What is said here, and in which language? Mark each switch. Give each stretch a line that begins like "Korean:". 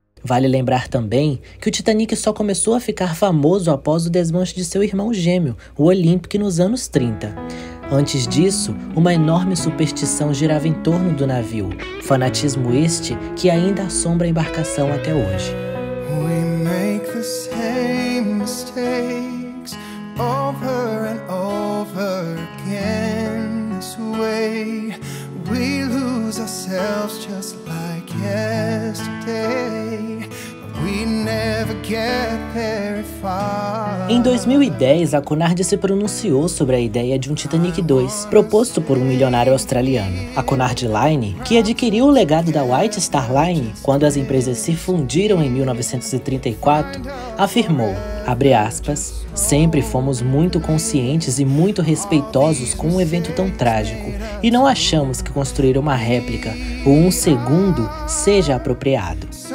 Portuguese: Vale lembrar também que o Titanic só começou a ficar famoso após o desmanche de seu irmão gêmeo, o Olympic, nos anos 30. Antes disso, uma enorme superstição girava em torno do navio, fanatismo este que ainda assombra a embarcação até hoje.
English: We make the same mistakes over and over again this way. We lose ourselves just like yesterday. We never get very far.
Portuguese: Em 2010, a Cunard se pronunciou sobre a ideia de um Titanic 2, proposto por um milionário australiano. A Cunard Line, que adquiriu o legado da White Star Line quando as empresas se fundiram em 1934, afirmou, abre aspas, sempre fomos muito conscientes e muito respeitosos com um evento tão trágico, e não achamos que construir uma réplica ou um segundo seja apropriado.